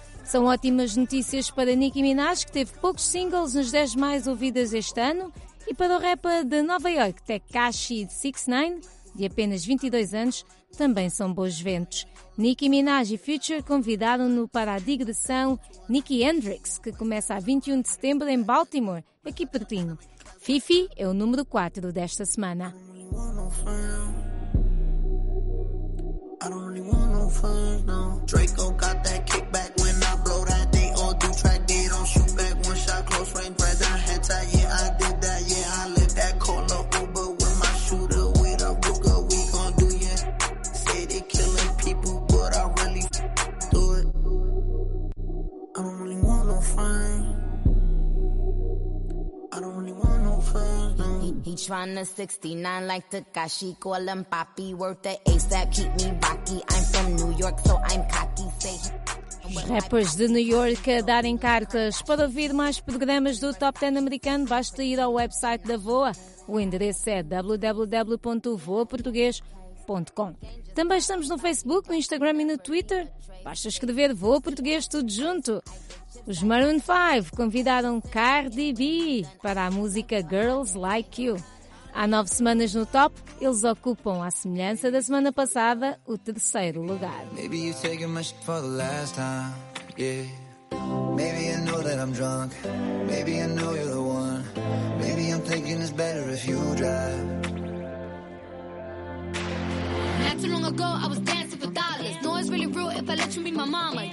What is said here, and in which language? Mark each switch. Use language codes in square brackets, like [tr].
[pt] São ótimas notícias para Nicki Minaj, que teve poucos singles nos 10 mais ouvidas este ano, e para o rapper de Nova York, Tekashi 6ix9ine, de apenas 22 anos, também são bons ventos. Nicki Minaj e Future convidaram-no para a digressão Nicki Hendrix, que começa a 21 de setembro em Baltimore, aqui pertinho. Fifi é o número 4 desta semana. [en] I don't really want no friends, no. Draco got that kickback when I blow that. They all do track, they don't shoot back. One shot, close range, red eye, head tight. Yeah, I did that, yeah, I lit that. Call a Uber with my shooter. With a Ruger, we gon' do, yeah. Say they killing people, but I really do it. I don't really want no friends. He tryna 69 like Tekashi, call him Papi, worth the ASAP, keep me rocky. I'm from New York, so I'm cocky. [pt] Say. Os rappers de New York a darem cartas. Para ouvir mais programas do Top 10 americano, basta ir ao website da Voa. O endereço é www.voaportugues.com. Também estamos no Facebook, no Instagram e no Twitter. Basta escrever Voa Português tudo junto. Os Maroon 5 convidaram Cardi B para a música Girls Like You. Há 9 semanas no top, eles ocupam, à semelhança da semana passada, o 3º lugar. [en] Maybe you're taking my shit for the last time, yeah. Maybe I know that I'm drunk. Maybe I know you're the one. Maybe I'm thinking it's better if you drive. Not too long ago, I was dancing for dollars. No, it's really real if I let you be my mama.